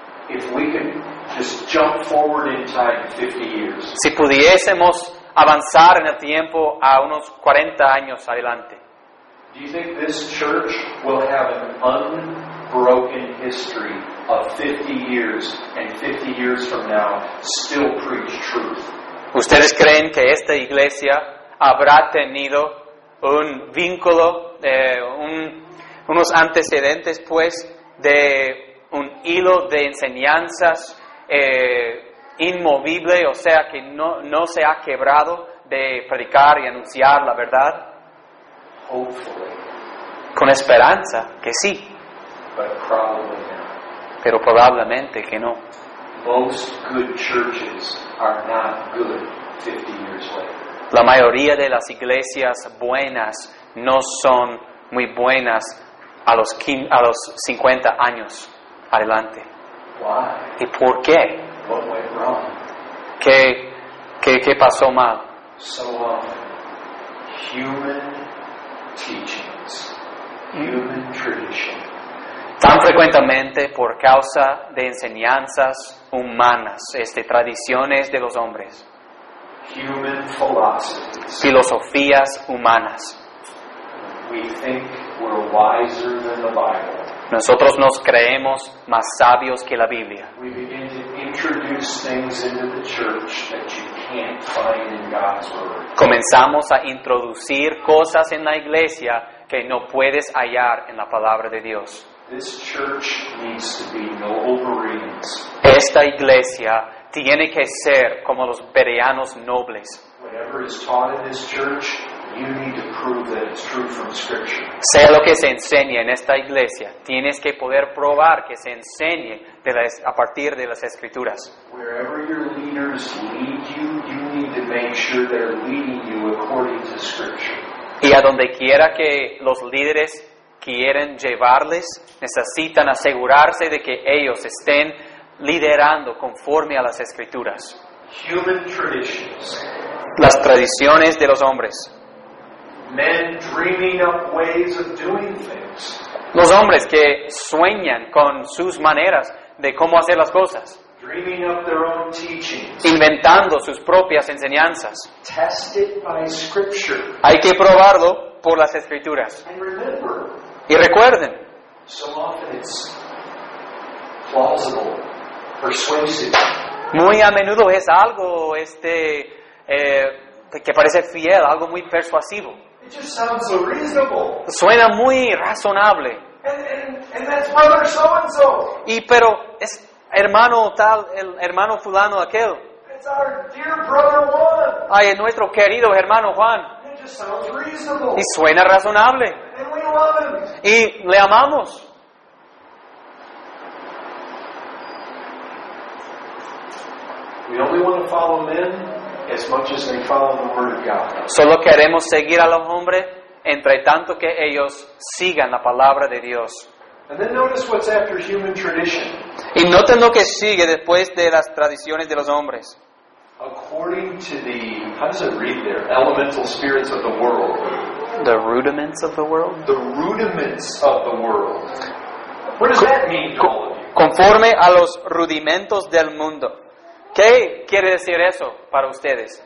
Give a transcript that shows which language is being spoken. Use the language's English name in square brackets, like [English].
[English] if we can just jump forward in time 50 years, [Spanish] si pudiésemos avanzar en el tiempo a unos 40 años adelante, [English] do you think this church will have an unbroken history of 50 years and 50 years from now still preach truth? [Spanish] ¿Ustedes creen que esta iglesia habrá tenido un vínculo, unos antecedentes, pues, de un hilo de enseñanzas inmovible, o sea, que no se ha quebrado de predicar y anunciar la verdad? [English] Hopefully. [Spanish] Con esperanza, que sí. [English] But probably not. [Spanish] Pero probablemente que no. [English] Most good churches are not good 50 years later. [Spanish] La mayoría de las iglesias buenas no son muy buenas a los 50 años adelante. [English] Why? [Spanish] ¿Y por qué? [English] What went wrong? [Spanish] ¿Qué pasó mal? [English] So human teachings, human tradition. [Spanish] Tan frecuentemente por causa de enseñanzas humanas, tradiciones de los hombres. [English] Human philosophies. [Spanish] Filosofías humanas. [English] We think we're wiser than the Bible. [Spanish] Nosotros nos creemos más sabios que la Biblia. [English] We begin to introduce things into the church that you can't find in God's Word. [Spanish] Comenzamos a introducir cosas en la iglesia que no puedes hallar en la palabra de Dios. [English] This church needs to be noble Bereans. [Spanish] Esta iglesia tiene que ser como los bereanos nobles. [English] Whatever is taught in this church, you need to prove that it's true from Scripture. [Spanish] Sea lo que se enseñe en esta iglesia, tienes que poder probar que se enseñe a partir de las Escrituras. [English] Wherever your leaders lead you, you need to make sure they're leading you according to Scripture. [Spanish] Y a donde quiera que los líderes quieren llevarles, necesitan asegurarse de que ellos estén liderando conforme a las Escrituras. [English] Human traditions. [Spanish] Las tradiciones de los hombres. [English] Men dreaming up ways of doing things. [Spanish] Los hombres que sueñan con sus maneras de cómo hacer las cosas. [English] Dreaming up their own teachings. [Spanish] Inventando sus propias enseñanzas. [English] Tested by Scripture. [Spanish] Hay que probarlo por las Escrituras. [English] And remember, [Spanish] y recuerden, [English] so often it's plausible, persuasive. [Spanish] Muy a menudo es algo que parece fiel, algo muy persuasivo. [English] It just sounds so reasonable. [Spanish] Suena muy razonable. [English] And that's brother so-and-so. [Spanish] Y pero es hermano tal, el hermano fulano aquel. [English] It's our dear brother Juan. [Spanish] Ay, es nuestro querido hermano Juan. [English] It just reasonable. [Spanish] Y suena razonable. [English] And we love him. [Spanish] Y le amamos. [English] We only want to follow men as much as they follow the word of God. [Spanish] Solo queremos seguir a los hombres entre tanto que ellos sigan la palabra de Dios. [English] And then notice what's after human tradition. [Spanish] Y noten lo que sigue después de las tradiciones de los hombres. [English] According to the, how does it read there? Elemental spirits of the world. The rudiments of the world? The rudiments of the world. What does that mean, all of you? [Spanish] Conforme a los rudimentos del mundo. ¿Qué quiere decir eso para ustedes?